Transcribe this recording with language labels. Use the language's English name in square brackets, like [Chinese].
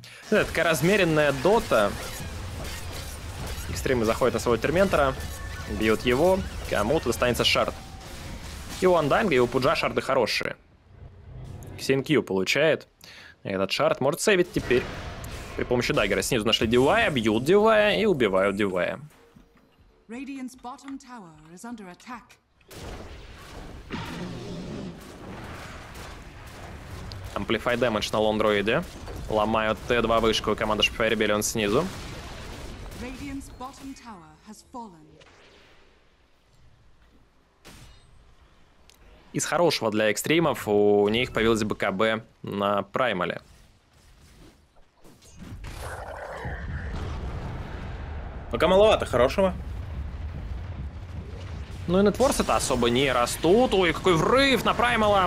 [Russian] Это такая размеренная дота. Экстримы заходят на своего Терментора. Бьют его. Кому-то достанется шард. И у Андайнга, и у Пуджа шарды хорошие. Ксенкью получает. Этот шард может сейвить теперь. При помощи даггера. Снизу нашли Дивая, бьют Дивая и убивают Дивая. [English] Radiant's bottom tower is under attack. [Russian] Amplify damage на лондроиде. Ломают Т2 вышку, команда Шпифа Ребеллион снизу. [English] Radiant's bottom tower has fallen. [Russian] Из хорошего для экстримов у них появилась БКБ на праймале. Пока маловато хорошего. Ну и нетворсы-то особо не растут. Ой, какой врыв на праймала.